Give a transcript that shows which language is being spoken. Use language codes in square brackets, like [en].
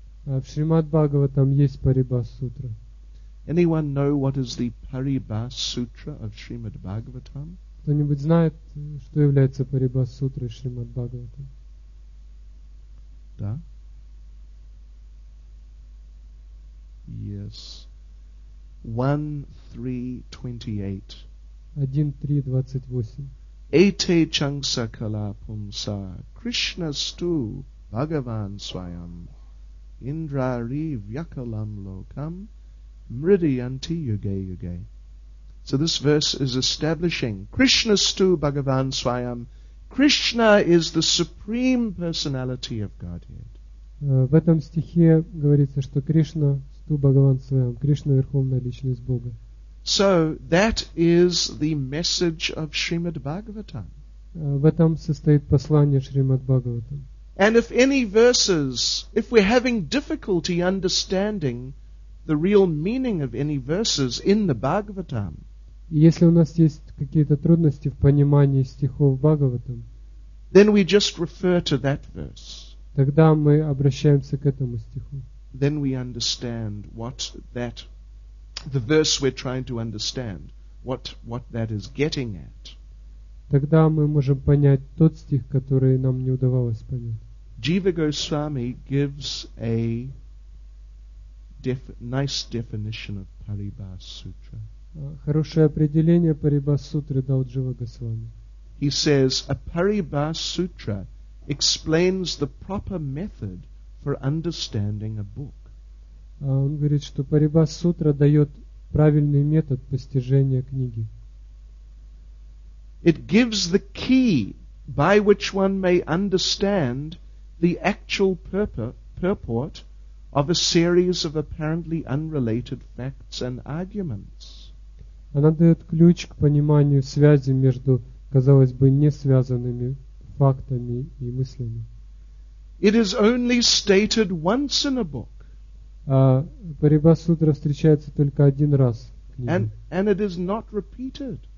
[ru] В Шримад Бхагаватам есть Парибхасутра. [en] Anyone know what is the Parībhāsūtra of Śrīmad Bhāgavatam? [ru] Кто-нибудь знает, что является Парибхасутрой Шримад Бхагаватам? Да? [en] Yes. 1.3.28. [sa] Ete chaṃsa kalā pumsa Krishna stu Bhagavān svayam Indrari vyakalam lokam mridiyanti yuge yuge. [en] So this verse is establishing [sa] Krishna stu Bhagavan svayam. [en] Krishna is the supreme personality of Godhead. [ru] В этом стихе говорится, что [sa] Кришна сту Бхагаван свайам. [ru] Кришна верховная личность Бога. [en] So that is the message of Srimad Bhagavatam. [ru] В этом состоит послание Шримад Бхагаватам. [en] And if any verses, if we're having difficulty understanding the real meaning of any verses in the Bhagavatam, [ru] если у нас есть какие-то трудности в понимании стихов Бхагаватам, [en] then we just refer to that verse. [ru] Тогда мы обращаемся к этому стиху. [en] Then we understand what that the verse we're trying to understand, what that is getting at. [ru] тогда мы можем понять тот стих, который нам не удавалось понять. [en] Jiva Goswami gives a nice definition of Paribhas Sutra. [ru] Хорошее определение Paribhas Sutra дал Jiva Goswami. [en] He says, a Paribhas Sutra explains the proper method for understanding a book. [ru] Он говорит, что Paribhas Sutra дает правильный метод постижения книги. [en] It gives the key by which one may understand the actual purport of a series of apparently unrelated facts and arguments. [ru] Она дает ключ к пониманию связи между, казалось бы, не связанными фактами и мыслями. [en] It is only stated once in a book. [ru] Парибхасутра встречается только один раз в книге. [en] And it is not repeated.